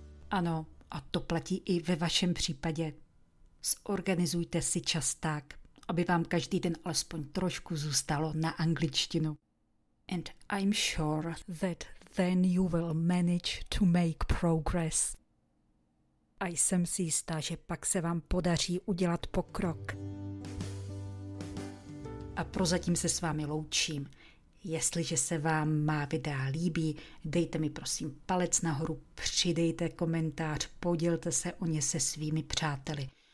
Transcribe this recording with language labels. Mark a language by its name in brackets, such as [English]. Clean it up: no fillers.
[Czech] Ano, a to platí i ve vašem případě. Zorganizujte si čas tak, aby vám každý den alespoň trošku zůstalo na angličtinu. [English] And I'm sure that then you will manage to make progress. [Czech] a jsem si jistá, že pak se vám podaří udělat pokrok. A prozatím se s vámi loučím. Jestliže se vám má videa líbí, dejte mi prosím palec nahoru, přidejte komentář, podělte se o ně se svými přáteli.